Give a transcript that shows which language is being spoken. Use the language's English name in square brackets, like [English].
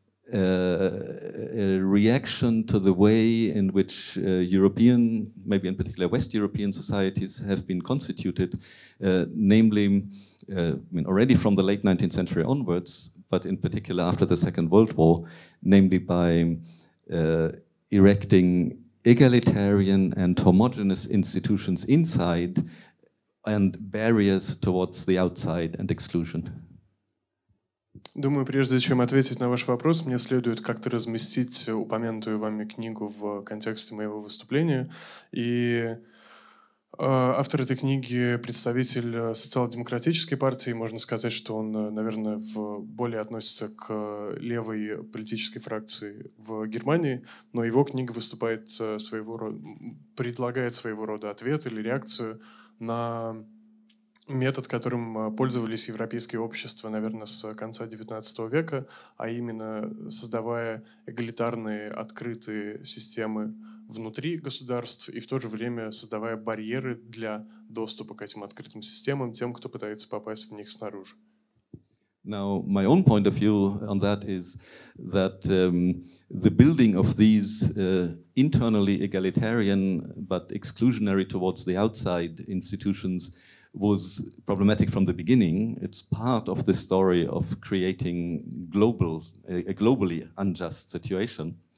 [English] a reaction to the way in which European, maybe in particular West European societies have been constituted, namely, already from the late 19th century onwards, but in particular after the Second World War, namely by erecting egalitarian and homogeneous institutions inside and barriers towards the outside and exclusion. [Russian] Думаю, прежде чем ответить на ваш вопрос, мне следует как-то разместить упомянутую вами книгу в контексте моего выступления. И автор этой книги – представитель социал-демократической партии. Можно сказать, что он, наверное, более относится к левой политической фракции в Германии, но его книга выступает своего рода, предлагает своего рода ответ или реакцию на метод, которым пользовались европейские общества, наверное, с конца XIX века, а именно создавая эгалитарные, открытые системы внутри государств и в то же время создавая барьеры для доступа к этим открытым системам тем, кто пытается попасть в них снаружи. [English] Now, my own point of view on that is that the building of these internally egalitarian but exclusionary towards the outside institutions was problematic from the beginning. It's part of the story of creating globally unjust situation.